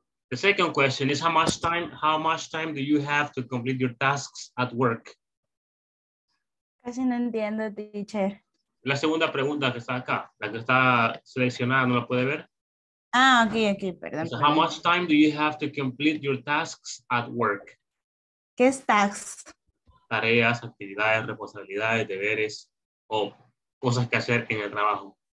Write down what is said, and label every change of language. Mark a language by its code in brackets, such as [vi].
[en] The second question is how much time do you have to complete your tasks at work? [es] Casi no entiendo, teacher. La segunda pregunta que está acá, la que está seleccionada, ¿no la puede ver? Ah, aquí, perdón. [en] So how much time do you have to complete your tasks at work? [es] ¿Qué es tasks? Tareas, actividades, responsabilidades, deberes o cosas que hacer en el trabajo.